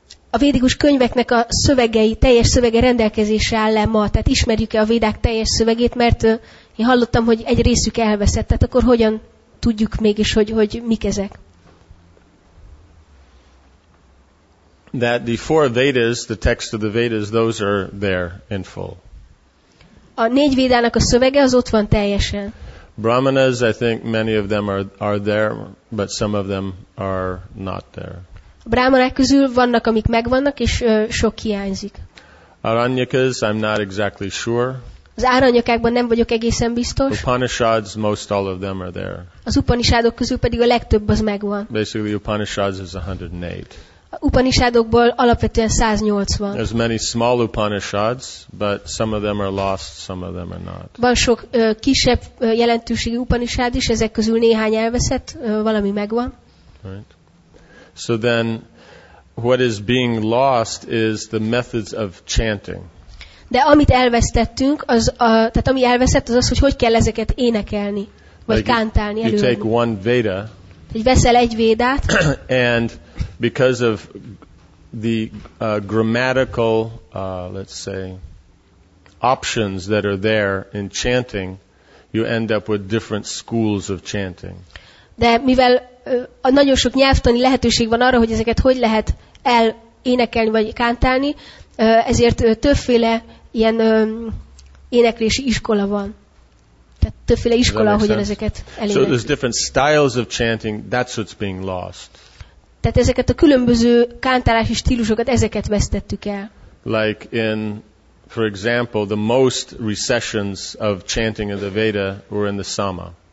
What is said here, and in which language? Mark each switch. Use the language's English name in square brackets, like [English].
[Hungarian] A védikus könyveknek a szövegei, teljes szövege rendelkezésre áll le ma, tehát ismerjük-e a védák teljes szövegét, mert én hallottam, hogy egy részük elveszett, tehát akkor hogyan tudjuk mégis, hogy mik ezek? [English] That the four Vedas, the text of the Vedas, those are there in full. [Hungarian] A négy védának a szövege az ott van teljesen. [English] Brahmanas, I think many of them are there, but some of them are not there. [Hungarian] Brahmanák közül vannak, amik megvannak, és sok hiányzik. [English] Aranyakas, I'm not exactly sure. [Hungarian] Az aranyakákban nem vagyok egészen biztos. [English] Upanishads, most all of them are there. [Hungarian] Az Upanishadok közül pedig a legtöbb az megvan. [English] Basically, Upanishads is 108. [Hungarian] A Upanishadokból alapvetően 180. [English] There's many small Upanishads, but some of them are lost, some of them are not. [Hungarian] Van sok kisebb jelentőségi Upanishad is, ezek közül néhány elveszett, valami megvan. [English] Right. So then, what is being lost is the methods of chanting. [Hungarian] De amit elvesztettünk, az a, tehát ami elveszett, az az, hogy kell ezeket énekelni, vagy [English] like [Hungarian] kántálni előre. [English] You take one Veda, [Hungarian] hogy veszel egy védát, [English] and because of the grammatical, let's say, options that are there in chanting, you end up with different schools of chanting. [Hungarian] De mivel a nagyon sok nyelvtani lehetőség van arra, hogy ezeket hogy lehet elénekelni vagy kántálni, ezért többféle ilyen éneklési iskola van. Tehát többféle iskola, ahogyan ezeket elénekeljük. [English] So there's different styles of chanting, that's what's being lost. [Hungarian] Tehát ezeket a különböző kántálási stílusokat, ezeket vesztettük el. [English] Like in, for example, the most recessions of chanting in the Veda were in the Sama.